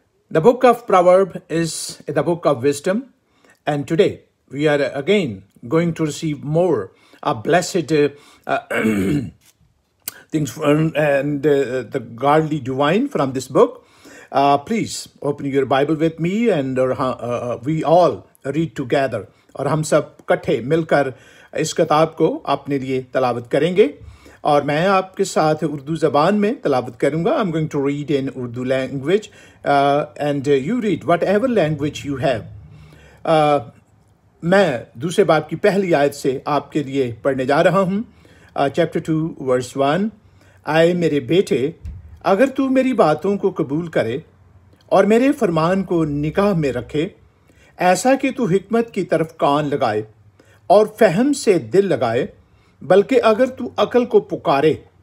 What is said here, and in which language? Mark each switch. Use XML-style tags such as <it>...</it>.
<en>The book of Proverbs is the book of wisdom, and today we are again going to receive more blessed things from, and the godly divine from this book. Please open your Bible with me and we all read together.</en> <ur>اور ہم سب اکٹھے مل کر اس کتاب کو اپنے لیے تلاوت کریں گے، اور میں آپ کے ساتھ اردو زبان میں تلاوت کروں گا.</ur> <en>I'm going to read in Urdu language and you read whatever language you have.</en> <ur>میں دوسرے باب کی پہلی آیت سے آپ کے لیے پڑھنے جا رہا ہوں.</ur> <en>Chapter 2 verse 1.</en> <ur>اے میرے بیٹے، اگر تو میری باتوں کو قبول کرے اور میرے فرمان کو نگاہ میں رکھے، ایسا کہ تو حکمت کی طرف کان لگائے اور فہم سے دل لگائے، بلکہ اگر تو عقل کو پکارے</ur>